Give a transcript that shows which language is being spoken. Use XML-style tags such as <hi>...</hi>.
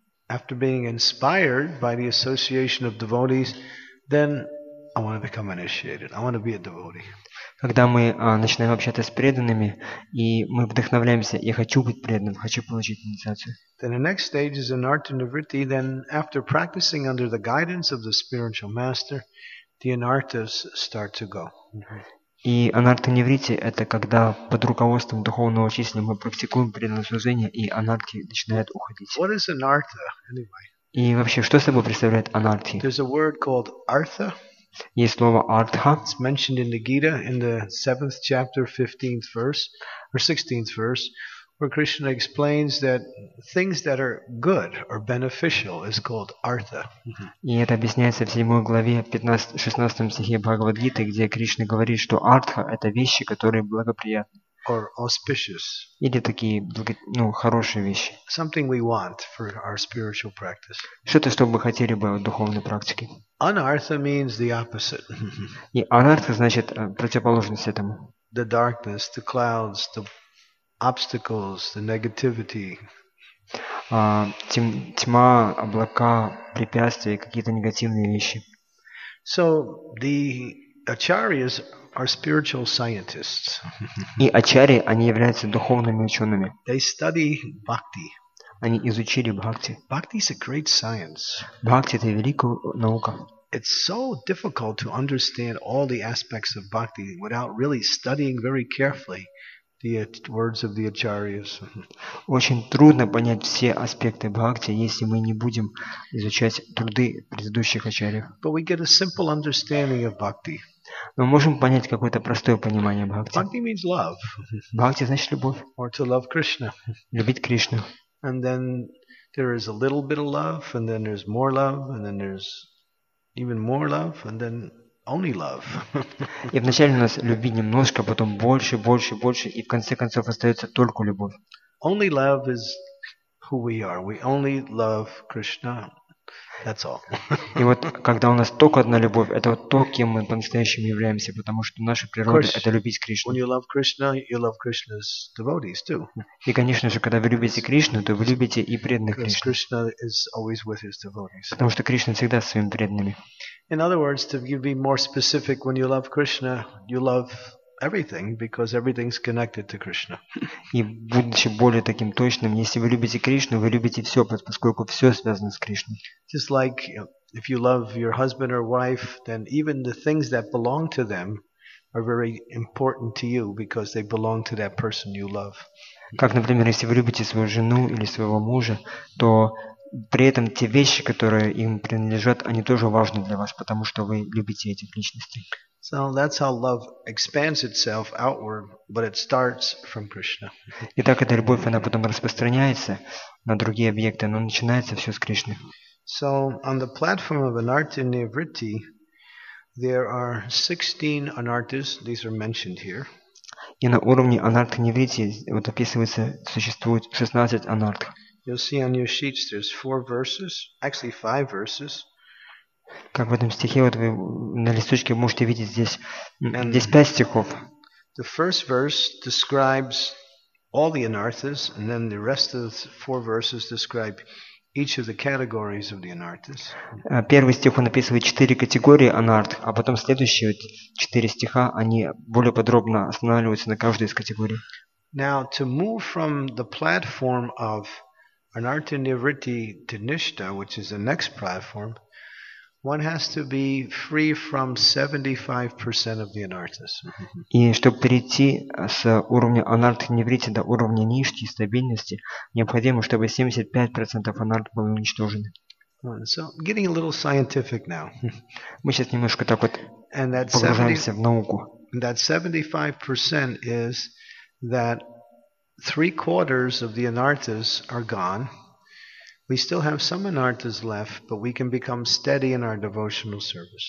<en>After being inspired by the association of devotees, then I want to become initiated. I want to be a devotee.</en> <ru>Когда мы начинаем общаться с преданными, и мы вдохновляемся, я хочу быть преданным, хочу получить инициацию.</ru> <en>Then the next stage is anartha nivritti. Then after practicing under the guidance of the spiritual master, the anarthas start to go.</en> <ru>И анартха нивритти это когда под руководством духовного учителя мы практикуем преданное служение, и анартхи начинают уходить.</ru> <en>What is anartha anyway?</en> <ru>И вообще, что собой представляет анартхи?</ru> <en>There's a word called artha.</en> <ru>Есть слово артха.</ru> <en>It's mentioned in the Gita in the 7th chapter, 15th verse, or 16th verse, where Krishna explains that things that are good or beneficial is called artha.</en> <ru>И это объясняется в 7 главе, 15-16 стихе Бхагавад-гиты, где Кришна говорит, что артха – это вещи, которые благоприятны.</ru> <en>Or auspicious.</en> <ru>Или такие, ну, хорошие вещи.</ru> <en>Something we want for our spiritual practice.</en> <ru>Что-то, что бы хотели бы в духовной практике.</ru> <en>Anartha means the opposite.</en> <ru>И анартха значит противоположность этому.</ru> <en>The darkness, the clouds, the obstacles, the negativity.</en> <ru>Тьма, облака, препятствия, какие-то негативные вещи.</ru> <en>So the acharyas are spiritual scientists.</en> <ru>И ачарьи, они являются духовными учеными.</ru> <en>They study bhakti.</en> <ru>Они изучили бхакти.</ru> <en>Bhakti is a great science.</en> <ru>Бхакти это великая наука.</ru> <en>It's so difficult to understand all the aspects of bhakti without really studying very carefully the words of the acharyas.</en> <ru>Очень трудно понять все аспекты бхакти, если мы не будем изучать труды предыдущих ачарьев.</ru> <en>But we get a simple understanding of bhakti.</en> <ru>Мы можем понять какое-то простое понимание бхакти.</ru> <en>Bhakti means love.</en> <ru>Бхакти значит любовь.</ru> <en>Or to love Krishna.</en> <ru>Любить Кришну.</ru> <en>And then there is a little bit of love, and then there's more love, and then there's even more love, and then only love.</en> <ru>И вначале у нас любви немножко, потом больше, больше, больше, и в конце концов остается только любовь.</ru> <en>Only love is who we are. We only love Krishna. That's all.</en> <ru>И вот когда у нас только одна любовь, это вот то, кем мы по-настоящему являемся, потому что наша природа</ru> <en>course,</en> <ru>это любить Кришну.</ru> <en>When you love Krishna, you love Krishna's devotees too.</en> <ru>И конечно же, когда вы любите Кришну, то вы любите и преданных Кришны.</ru> <en>Krishna is always with his devotees.</en> <ru>Потому что Кришна всегда с своими преданными.</ru> <en>In other words, to be more specific, when you love Krishna, you love everything, because everything's connected to Krishna.</en> <ru>И будучи более таким точным, если вы любите Кришну, вы любите все, поскольку все связано с Кришной.</ru> <en>Just like if you love your husband or wife, then even the things that belong to them are very important to you because they belong to that person you love.</en> <ru>Как, например, если вы любите свою жену или своего мужа, то при этом те вещи, которые им принадлежат, они тоже важны для вас, потому что вы любите этих личностей.</ru> <en>So that's how love expands itself outward, but it starts from Krishna.</en> <ru>И так эта любовь она потом распространяется на другие объекты, но начинается все с Кришны.</ru> <en>So on the platform of anartha nivritti, there are 16 anarthas. These are mentioned here.</en> <ru>И на уровне анартха нивритти вот описывается существует 16 анартх.</ru> <en>You'll see on your sheets there's 4 verses, actually 5 verses.</en> <ru>Как в этом стихе, вот вы на листочке можете видеть здесь 5 стихов.</ru> <en>The first verse describes all the anarthas, and then the rest of the 4 verses describe each of the categories of the anarthas.</en> <ru>Первый стих он описывает 4 категории анартх, а потом следующие 4 стиха, они более подробно останавливаются на каждой из категорий.</ru> <en>Now, to move from the platform of anartha nivritti to nishta, which is the next platform, one has to be free from 75% of the anarthas.</en> <ru>И чтобы перейти с уровня анартхи нивритти до уровня ништи, стабильности, необходимо, чтобы 75% анартх были уничтожены.</ru> <en>So, getting a little scientific now.</en> <ru>Мы сейчас немножко так вот погружаемся в науку.</ru> <en>And that 75% is that 3/4 of the anarthas are gone. We still have some anarthas left, but we can become steady in our devotional service.</en>